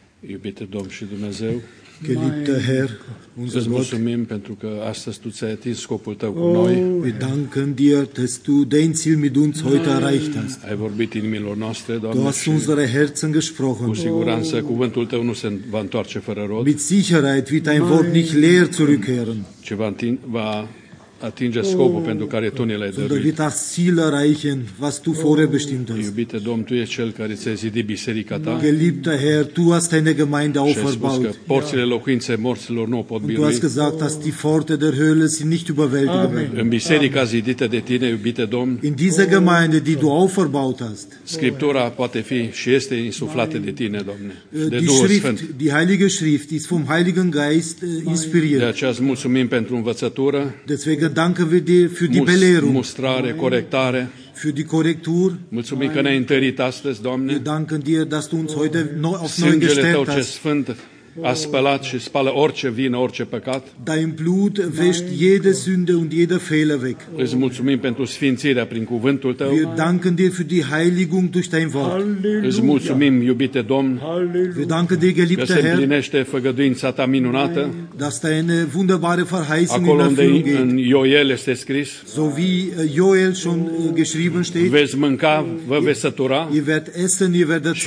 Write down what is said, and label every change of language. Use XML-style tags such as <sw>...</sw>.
<ro>Iubite Domn și Dumnezeu,</ro> <de>geliebte Herr, unser Gott,</de> <ro>îți mulțumim pentru că astăzi tu ți-ai atins scopul tău cu noi.</ro> <de>Wir danken dir, dass du dein Ziel mit uns heute erreicht hast.</de> <ro>Ai vorbit inimilor noastre, Doamne.</ro> <de>Du hast unsere Herzen gesprochen.</de> <ro>Cu siguranță cuvântul tău nu se va întoarce fără rod.</ro> <de>Mit Sicherheit wird dein Wort nicht leer zurückkehren.</de> <ro>Ce va atinge scopul pentru care tu ne l-ai dăruit.</ro> <de>Du vita Ziel erreichen, was du vorbestimmt hast.</de> <ro>Iubite Domn, tu ești cel care ți-ai zidit biserica ta.</ro> <de>Geliebter Herr, du hast deine Gemeinde auferbaut.</de> <ro>Și ai spus că porțile locuinței morților nu o pot birui.</ro> <de>Du hast gesagt, dass die Pforte der Höhle sie nicht überwältigen werden.</de> <ro>În biserica zidită de tine, iubite Domn.</ro> <de>In dieser Gemeinde, die du auferbaut hast.</de> <ro>Scriptura poate fi și este insuflată de tine, Domne.</ro> <de>Die Schrift, die Heilige Schrift ist vom Heiligen Geist inspiriert.</de> <ro>De aceea mulțumim pentru învățătură.</ro> <de>Deswegen danken wir dir für die Belehrung.</de> <ro>Mustrare, corectare.</ro> <de>Für die Korrektur.</de> <ro>Mulțumim că ne-ai întărit astăzi, Doamne.</ro> <de>Wir danken dir, dass du uns heute auf neu gestärkt hast.</de> <ro>Sângele Tău ce sfânt a spălat și spală orice vină, orice păcat.</ro> <de>Dein Blut wäscht jede Sünde und jede Fehler weg.</de> <ro>Îți mulțumim pentru sfințirea prin cuvântul Tău.</ro> <de>Wir danken dir für die Heiligung durch dein Wort. Halleluja.</de> <ro>Îți mulțumim, iubite Domn.</ro> <de>Halleluja. Wir danken dir, geliebter Herr.</de> <ro>Că se împlinește făgăduința Ta minunată.</ro> <de>Dass deine wunderbare Verheißung in Erfüllung geht.</de> <ro>Acolo unde în Ioel este scris.</ro> <de>So wie Joel schon geschrieben steht.</de> <ro>Veți mânca, vă veți sătura.</ro> <de>Ihr werdet essen, ihr werdet satt</de>